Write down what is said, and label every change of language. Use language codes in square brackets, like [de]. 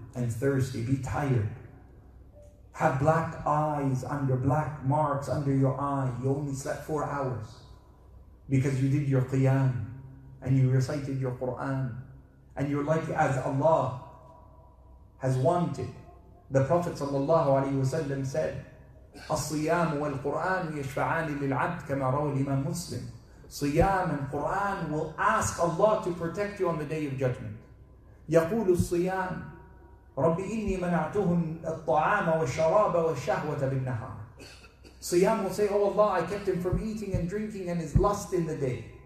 [en] And thirsty, be tired. Have black eyes under black marks under your eye. You only slept 4 hours because you did your qiyam and you recited your Quran and you're like as Allah has wanted. [ar] The Prophet ﷺ said, "الصيام والقرآن يشفعان للعبد كما روى الإمام مسلم." [en] Siyam and Quran will ask Allah to protect you on the day of judgment. يقول الصيام رَبِّ إِنِّي مَنَعْتُهُمْ الطَّعَامَ وَالشَّرَابَ وَالشَّهْوَةَ بِالنَّهَارِ Siyam will say, Oh Allah, I kept him from eating and drinking and his lust in the day.